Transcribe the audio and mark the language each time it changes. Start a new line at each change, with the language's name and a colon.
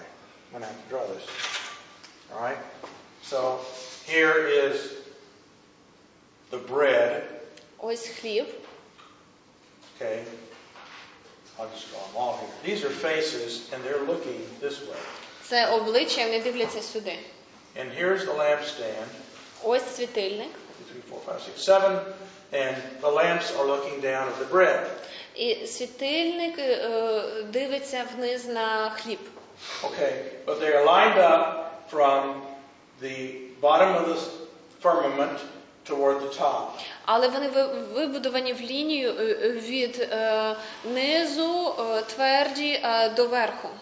English: I'm gonna have to draw this. All right. So here is the bread.
Ukrainian: Ось хліб.
English: Okay. I'll just draw them all here. These are faces, and they're looking this way.
Ukrainian: Це обличчя, вони дивляться сюди.
English: And here's the lampstand.
Ukrainian: Ось світильник.
English: 3, 4, 5, 6, 7. And the lamps are looking down at the bread.
Ukrainian: І світильник дивиться вниз на хліб.
English: Okay, but they are lined up from the bottom of the firmament toward the top.
Ukrainian: Але вони вибудовані в лінію від низу тверді до верху.